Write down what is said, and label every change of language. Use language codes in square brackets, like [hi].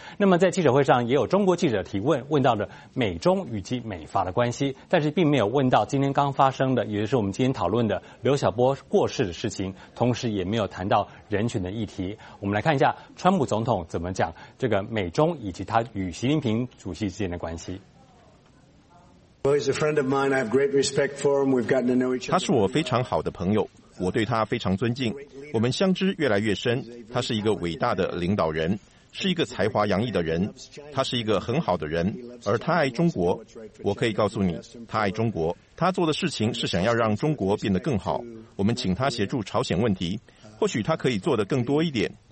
[zh] 那么在记者会上，也有中国记者提问，问到了美中以及美法的关系，但是并没有问到今天刚发生的，也就是我们今天讨论的刘晓波过世的事情，同时也没有谈到人权的议题。我们来看一下川普总统怎么讲这个美中以及他与习近平主席之间的关系。 [en] Well, he's a friend of mine. I have great respect for him. We've gotten to know each other. [zh] 他是我非常好的朋友，我对他非常尊敬。我们相知越来越深。他是一个伟大的领导人，是一个才华洋溢的人。他是一个很好的人，而他爱中国。我可以告诉你，他爱中国。他做的事情是想要让中国变得更好。我们请他协助朝鲜问题，或许他可以做得更多一点。